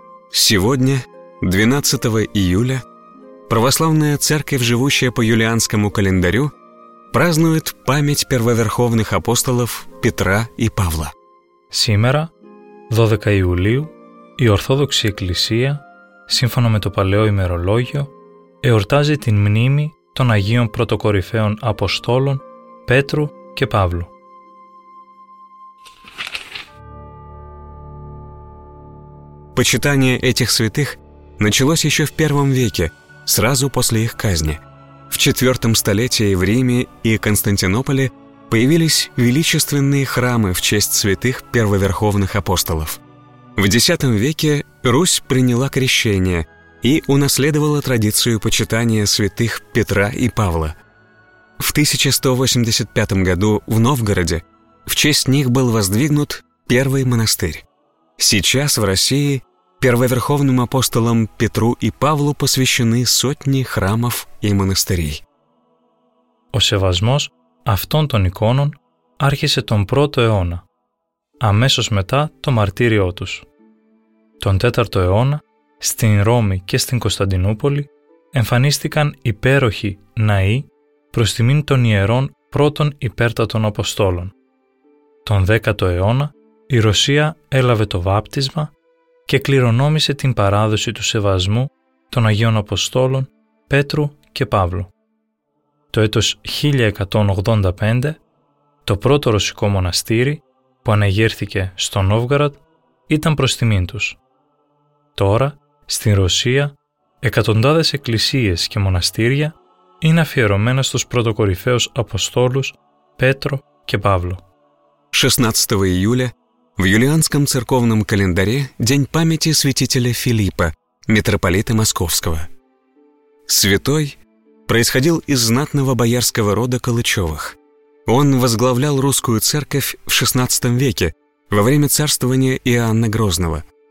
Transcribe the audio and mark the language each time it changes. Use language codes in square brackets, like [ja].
[ru] Сегодня, 12 июля, православная церковь, живущая по юлианскому календарю, празднует память первоверховных апостолов Петра и Павла. Сегодня, 12 июля, [el] η Ορθόδοξη Εκκλησία, σύμφωνα με το παλαιό ημερολόγιο, εορτάζει την μνήμη των Αγίων Πρωτοκορυφαίων Αποστόλων Πέτρου και Παύλου. [ru] Почитание этих святых началось еще в первом веке, сразу после их казни. В четвертом столетии в Риме и Константинополе появились величественные храмы в честь святых первоверховных апостолов. В X веке Русь приняла крещение и унаследовала традицию почитания святых Петра и Павла. В 1185 году в Новгороде в честь них был воздвигнут первый монастырь. Сейчас в России первоверховным апостолам Петру и Павлу посвящены сотни храмов и монастырей. [el] Ο σεβασμός αυτών των εικόνων άρχισε τον 1ο αιώνα, αμέσως μετά το μαρτύριό τους. Τον 4ο αιώνα, στην Ρώμη και στην Κωνσταντινούπολη, εμφανίστηκαν υπέροχοι ναοί προς τιμήν των ιερών πρώτων υπέρτατων Αποστόλων. Τον 10ο αιώνα, η Ρωσία έλαβε το βάπτισμα και κληρονόμησε την παράδοση του σεβασμού των Αγίων Αποστόλων Πέτρου και Παύλου. Το έτος 1185, το πρώτο ρωσικό μοναστήρι που αναγέρθηκε στο Νόβγαρατ ήταν προς τιμήν τους. Τώρα, στην Ρωσία, εκατοντάδες εκκλησίες και μοναστήρια είναι αφιερωμένα στους πρωτοκορυφαίους Αποστόλους Πέτρο και Παύλο. 16 Ιούλια, [ru] в юлианском церковном календаре день памяти святителя Филиппа, митрополита Московского. Святой происходил из знатного боярского рода Калычевых. Он возглавлял русскую церковь в XVI веке, во время царствования Иоанна Грозного.